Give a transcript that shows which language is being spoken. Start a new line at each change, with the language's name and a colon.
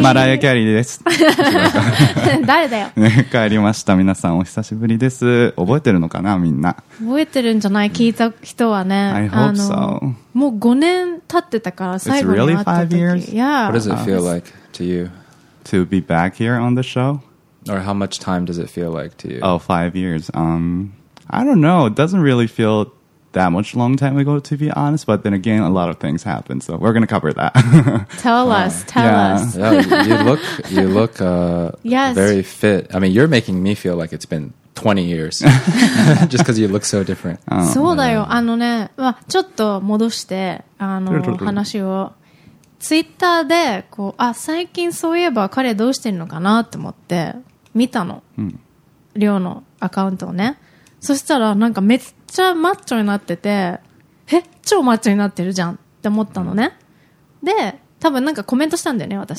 Japanese: マライア・キャリーです。誰だよ、ね。帰りました。皆さんお久しぶりです。覚えてるのかなみんな。覚えてるんじゃない聞いた人はね。
English: I hope so.
Japanese: もう5年経ってたから最後に会った時。
English: It's really 5 years? Yeah. What does it feel like to you? To be back here on the show? Or how much time does it feel like to you? Oh, 5 years. I don't know. It doesn't really feel... that much long time ago, to be honest. But then again, a lot of things happened. So we're going to cover that. Tell us. Yeah, you look very fit. I mean, you're making me feel like it's been 20 years. Just because you look so different.
Japanese: そうだよ。あのね、まあ、ちょっと戻して、あの、話を。 Twitter で、こう、あ、最近そういえば彼どうしてるのかなって思って、見たの。リョウのアカウントをね。そしたらなんかめっちゃマッチョになってて、え、超マッチョになってるじゃんって思ったのね、うん、で多分なんかコメントしたんだよね私、